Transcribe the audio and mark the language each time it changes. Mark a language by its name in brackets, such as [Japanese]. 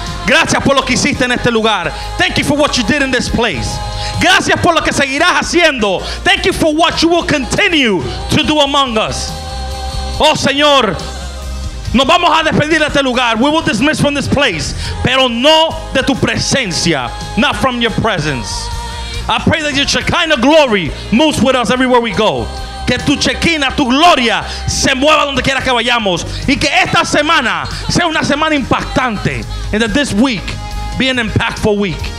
[Spanish] Gracias por lo que hiciste en este lugar. [English] Thank you for what you did in this place. [Spanish] Gracias por lo que seguirás haciendo. [English] Thank you for what you will continue to do among us. [Spanish] Oh, Señor. Nos vamos a despedir de este lugar. [English] We will dismiss from this place. [Spanish] Pero no de tu presencia. [English] Not from your presence. I pray that your Shekinah glory moves with us everywhere we go. [Spanish] Que tu Shekinah, tu gloria, se mueva donde quiera que vayamos. Y que esta semana sea una semana impactante. [English] And that this week be an impactful week.